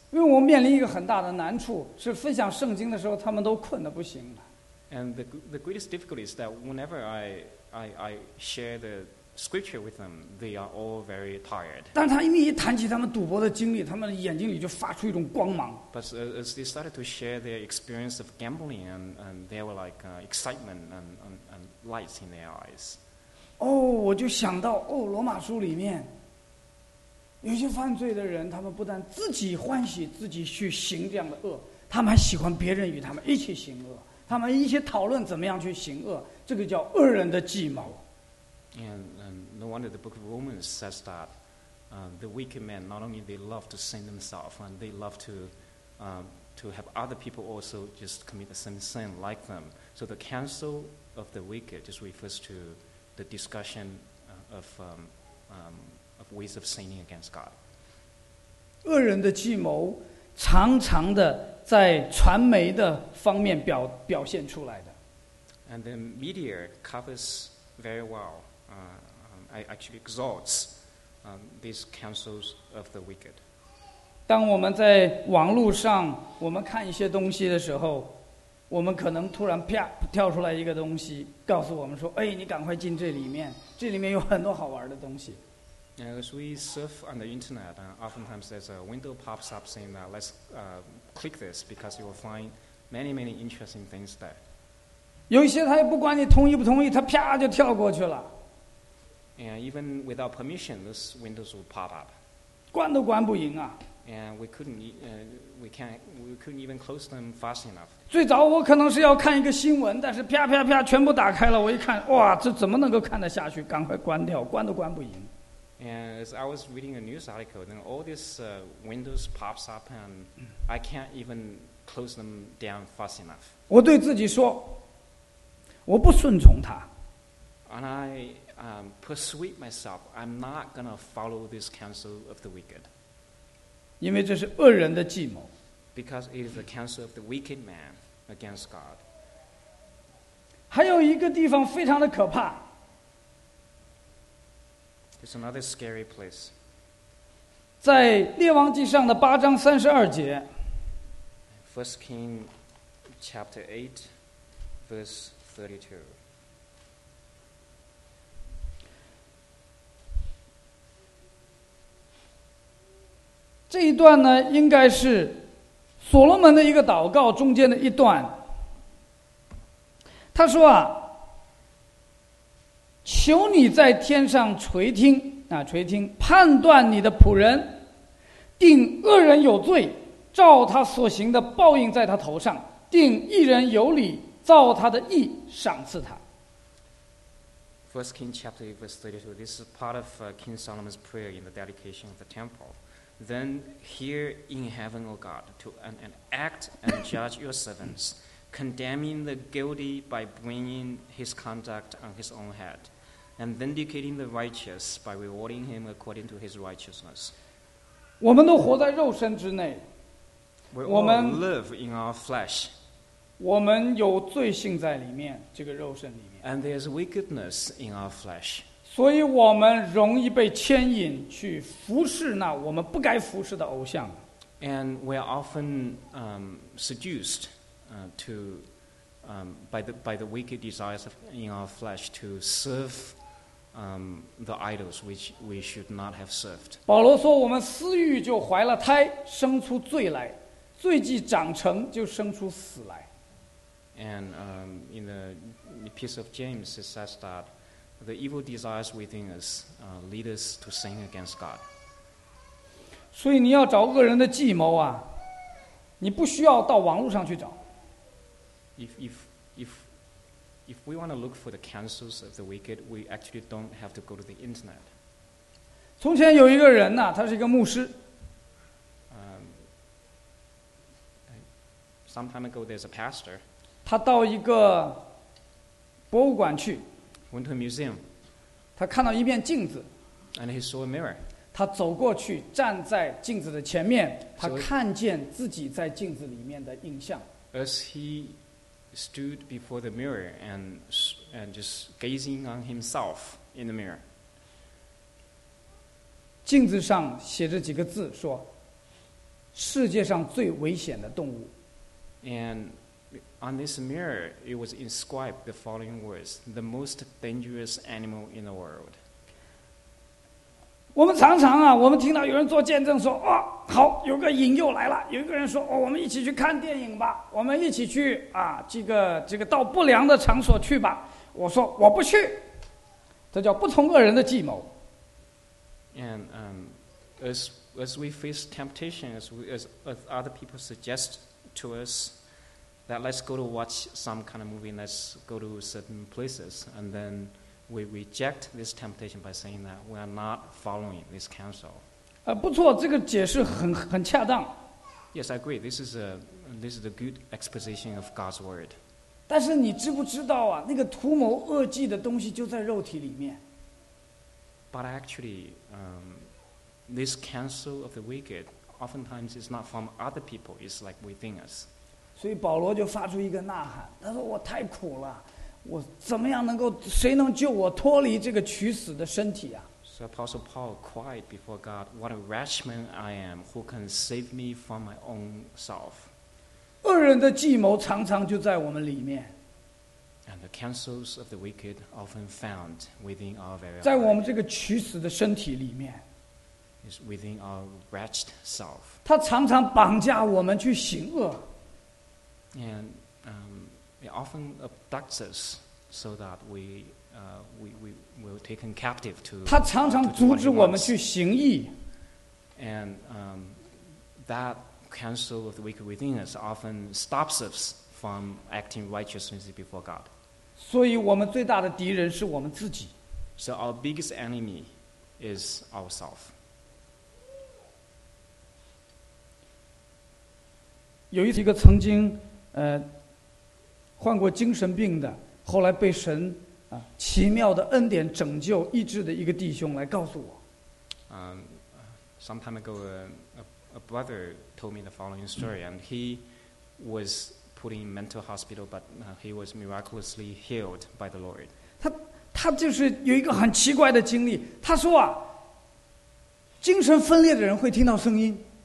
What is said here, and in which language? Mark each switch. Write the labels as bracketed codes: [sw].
[zh] 因为我面临一个很大的难处，是分享圣经的时候，他们都困得不行了。 [en] And the greatest difficulty is that whenever I share the scripture with them, they are all very tired. [zh] 但他因为一谈起他们赌博的经历，他们眼睛里就发出一种光芒。 [en] But as they started to share their experience of gambling, and there were like excitement and lights in their eyes. [zh] 哦，我就想到哦，罗马书里面有些犯罪的人，他们不但自己欢喜自己去行这样的恶，他们还喜欢别人与他们一起行恶。他们一起讨论怎么样去行恶，这个叫恶人的计谋。 [en] And no wonder the book of Romans says that the wicked men not only they love to sin themselves and they love to have other people also just commit the same sin like them. So the counsel of the wicked just refers to the discussion of ways of sinning against God. [zh] 恶人的计谋常常的在传媒的方面 表现出来的。 [en] And the media covers very well, actually exalts these counsels of the wicked. [zh] 当我们在网络上我们看一些东西的时候，我们可能突然啪跳出来一个东西告诉我们说，哎，你赶快进这里面，这里面有很多好玩的东西。 [en] As we surf on the internet, oftentimes there's a window pops up saying that let's click this because you will find many, many interesting things there. [zh] 有一些他也不管你同意不同意，他啪就跳过去了。 [en] And even without permission, those windows will pop up. [zh] 关都关不赢啊。 [en] And we couldn't even close them fast enough. [zh] 最早我可能是要看一个新闻，但是啪啪啪全部打开了，我一看，哇，这怎么能够看得下去？赶快关掉，关都关不赢。 [en] And as I was reading a news article, then all these windows pops up, and I can't even close them down fast enough. [zh] 我对自己说，我不顺从他。 [en] And I persuade myself, I'm not gonna follow this counsel of the wicked. [zh] 因为这是恶人的计谋。 [en] Because it is the counsel of the wicked man against God. [zh] 还有一个地方非常的可怕。 [en] It's another scary place. [zh] 在列王记上的八章三十二节。 [en] First King, chapter 8, verse 32. [zh] 这一段呢，应该是所罗门的一个祷告中间的一段。他说啊，求你在天上垂听啊，垂听，判断你的仆人，定恶人有罪，照他所行的报应在他头上；定义人有理，照他的义赏赐他。 [en] First King chapter 8 verse 32. This is part of King Solomon's prayer in the dedication of the temple. Then hear in heaven, O God, to an act and judge your servants, condemning the guilty by bringing his conduct on his own head. And vindicating the righteous by rewarding him according to his righteousness. [zh] 我们都活在肉身之内。 [en] We all live in our flesh. [zh] 我们有罪性在里面，这个肉身里面。 [en] And there's wickedness in our flesh. [zh] 所以我们容易被牵引去服侍那我们不该服侍的偶像。 [en] And we are often seduced to by the wicked desires in our flesh to serve the idols which we should not have served. [zh] 保罗说：“我们私欲就怀了胎，生出罪来；罪既长成，就生出死来。” [en] And in the epistle of James, it says that the evil desires within us lead us to sin against God. [zh] 所以你要找恶人的计谋啊，你不需要到网络上去找。 [en] If we want to look for the counsels of the wicked, we actually don't have to go to the internet. [zh] 从前有一个人呐，他是一个牧师。 [en] Some time ago, there's a pastor. [zh] 他到一个博物馆去。 [en] Went to a museum. [zh] 他看到一面镜子。 [en] And he saw a mirror. [zh] 他走过去，站在镜子的前面，他看见自己在镜子里面的影像。 [en] As he stood before the mirror and just gazing on himself in the mirror. [zh] 镜子上写着几个字说，世界上最危险的动物。 [en] And on this mirror, it was inscribed the following words, the most dangerous animal in the world. [zh] 我们常常啊，我们听到有人做见证说，哦，好，有个引诱来了。有一个人说，哦，我们一起去看电影吧，我们一起去啊，这个到不良的场所去吧。我说我不去，这叫不从恶人的计谋。 [en] And as we face temptation, as other people suggest to us that let's go to watch some kind of movie, let's go to certain places, and then we reject this temptation by saying that we are not following this counsel. [zh] 不错，这个解释很恰当。 [en] Yes, I agree. This is a good exposition of God's word. [zh] 但是你知不知道啊？那个图谋恶计的东西就在肉体里面。 [en] But actually, this counsel of the wicked oftentimes is not from other people. It's like within us. [zh] 所以保罗就发出一个呐喊，他说：“我太苦了。” 我怎么样能够？谁能救我脱离这个取死的身体啊 [en] ？So Apostle Paul cried before God, "What a wretched man I am! Who can save me from my own self?" [zh] 恶人的计谋常常就在我们里面。 [en] And the counsels of the wicked often found within our very life. [zh] 在我们这个取死的身体里面。 [en] Is within our wretched self. [zh] 他常常绑架我们去行恶。 [en] And it often abducts us so that we were taken captive to. [zh] 他常常阻止我们去行义。 [en] And that counsel of the wicked within us often stops us from acting righteously before God. [zh] 所以我们最大的敌人是我们自己。 [en] So our biggest enemy is ourselves. [zh] 有一个曾经患过精神病的，后来被神啊奇妙的恩典拯救医治的一个弟兄来告诉我。 [en] Some time ago, a brother told me the following story, and he was put in mental hospital, but he was miraculously healed by the Lord. [zh] 他就是有一个很奇怪的经历。他说啊，精神分裂的人会听到声音。